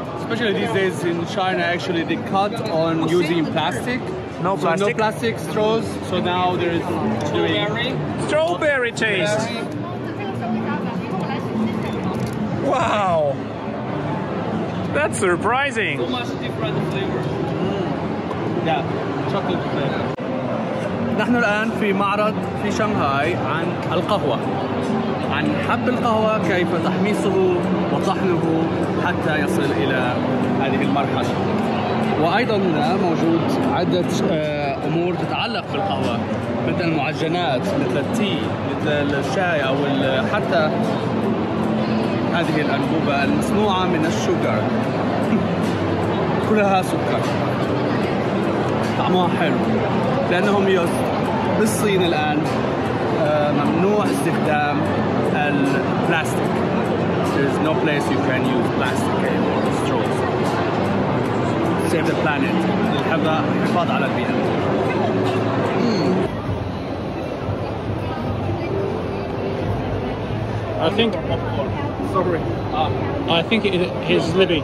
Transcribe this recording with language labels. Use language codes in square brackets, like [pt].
[en] Especially these days in China, actually they cut on using plastic. No plastic. So no plastic straws. So now there is strawberry taste. Wow! That's surprising. So much different flavor. Mm. Yeah, chocolate flavor. [ar] نحن الآن في معرض في شنغهاي عن القهوة عن حب القهوة كيف تحميصه وطحنه حتى يصل إلى هذه المرحلة وأيضاً موجود عدة أمور تتعلق بالقهوة مثل المعجنات مثل التي مثل الشاي أو حتى هذه الأنبوبة المصنوعة من السكر كلها سكر طعمها حلو لأنهم بالصين الآن ممنوع استخدام البلاستيك. [en] There's no place you can use plastic anymore. Straws. Save the planet. [ar] الحفاظ على البيئة. [en] I think he's living.